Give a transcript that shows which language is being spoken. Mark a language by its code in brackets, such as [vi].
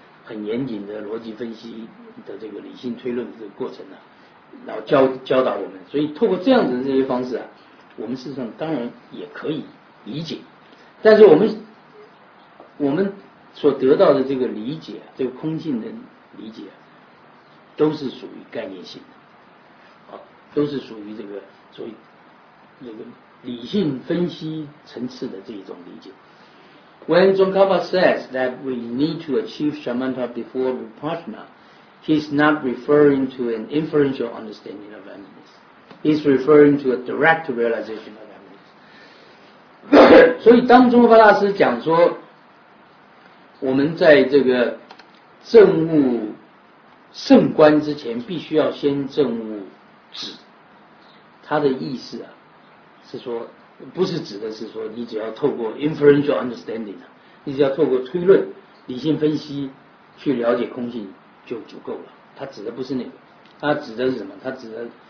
[zh] 很严谨的逻辑分析的这个理性推论的这个过程呢、啊，然后教导我们，所以透过这样子的这些方式啊，我们事实上当然也可以理解，但是我们我们所得到的这个理解，这个空性的理解，都是属于概念性的，啊，都是属于这个所谓那个理性分析层次的这一种理解。 [en] When Tsongkhapa says that we need to achieve shamatha before vipassana, he is not referring to an inferential understanding of emptiness. He is referring to a direct realization of emptiness. [zh] 所以当宗喀巴大师讲说我们在这个证悟圣观之前必须要先证悟止，他的意思啊是说，不是指的是说你只要透过 [en] inferential understanding， [zh] 你只要透过推论理性分析去了解空性就足够了，他指的不是那个，他指的是什么？他指的